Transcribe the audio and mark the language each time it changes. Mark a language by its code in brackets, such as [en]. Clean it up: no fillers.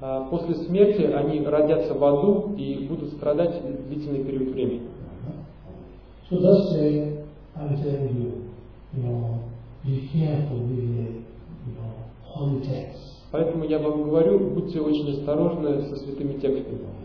[ru] После смерти они родятся в аду и будут страдать длительный период времени. [en] So that's saying, I'm telling you, be careful with the, holy texts. [ru] Поэтому я вам говорю, будьте очень осторожны со святыми текстами.